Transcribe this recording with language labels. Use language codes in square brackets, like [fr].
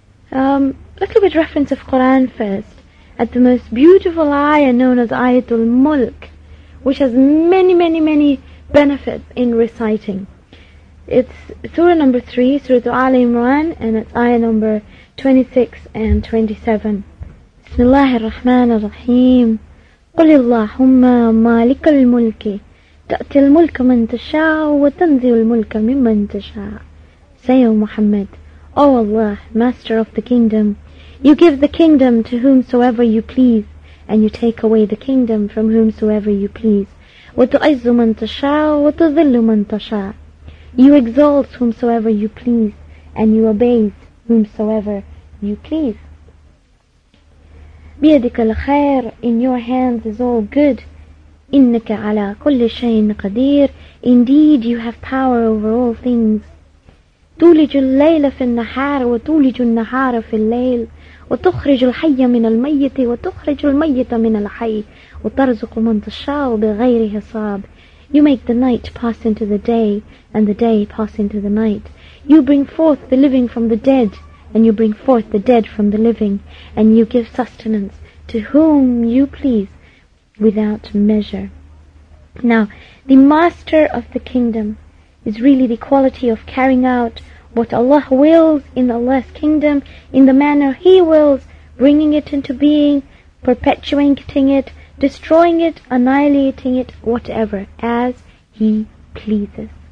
[en] Let's look at reference of Quran first, at the most beautiful ayah known as Ayatul Mulk, which has many benefits in reciting. It's Surah number 3, Surah Al Imran, and it's ayah number 26 and 27. Bismillahir Rahmanir Rahim. [ar] قل اللهم مالك الملك تأتي الملك من تشاء وتنزي الملك ممن تشاء. [en] Say, O Muhammad, O Allah, Master of the Kingdom, You give the kingdom to whomsoever You please, and You take away the kingdom from whomsoever You please. [ar] وتعز من تشاء وتذل من تشاء. [en] You exalt whomsoever You please, and You abase whomsoever You please. [ar] بيدك الخير, [en] in your hands is all good. [ar] إنك على كل شيء قدير, [en] indeed you have power over all things. [ar] تولج الليل في النهار وتولج النهار في الليل, وتخرج الحي من الميت وتخرج الميت من الحي, وترزق من تشاء بغير حساب. [en] You make the night pass into the day, and the day pass into the night. You bring forth the living from the dead, and You bring forth the dead from the living, and You give sustenance to whom You please without measure. Now, the master of the kingdom is really the quality of carrying out what Allah wills in Allah's kingdom in the manner He wills, bringing it into being, perpetuating it, destroying it, annihilating it, whatever, as He pleases.